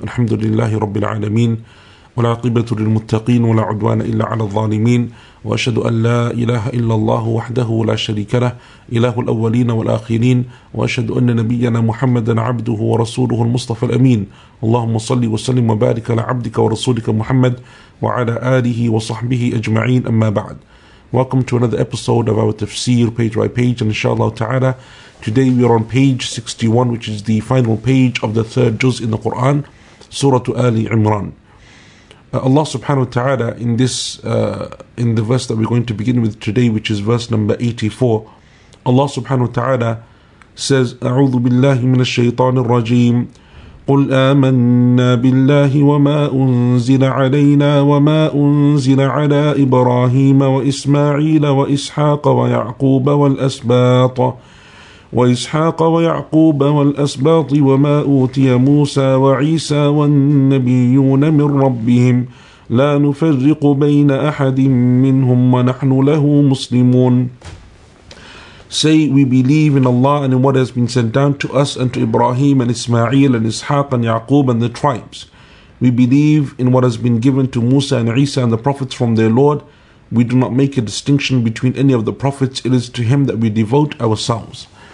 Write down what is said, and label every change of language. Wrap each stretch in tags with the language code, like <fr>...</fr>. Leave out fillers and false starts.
<ar>الحمد لله رب العالمين، والعاقبة للمتقين، ولا عدوان إلا على الظالمين. وأشهد أن لا إله إلا الله وحده لا شريك له، إله الأولين والآخرين. وأشهد أن نبينا محمدا عبده ورسوله المصطفى الأمين. اللهم صل وسلم وبارك على عبدك ورسولك محمد وعلى آله وصحبه أجمعين. أما بعد،</ar> <en>Welcome to another episode of our Tafsir page by page. And inshallah ta'ala, today we are on page 61, which is the final page of the third juz in the Quran, Surah Ali Imran. Allah subhanahu wa ta'ala in the verse that we're going to begin with today, which is verse number 84, Allah subhanahu wa ta'ala says,</en> <ar>أعوذ بالله من الشيطان الرجيم قل آمنا بالله وما أنزل علينا وما أنزل على إبراهيم وإسماعيل وإسحاق ويعقوب والأسباط وإسحاق ويعقوب والأسباط وما أوتي موسى وعيسى والنبيون من ربهم لا نفرق بين أحد منهم ونحن له مسلمون.</ar> <en>Say, we believe in Allah and in what has been sent down to us and to Ibrahim and Ismail and Ishaq and Yaqub and the tribes. We believe in what has been given to Musa and Isa and the prophets from their Lord. We do not make a distinction between any of the prophets. It is to him that we devote ourselves.</en>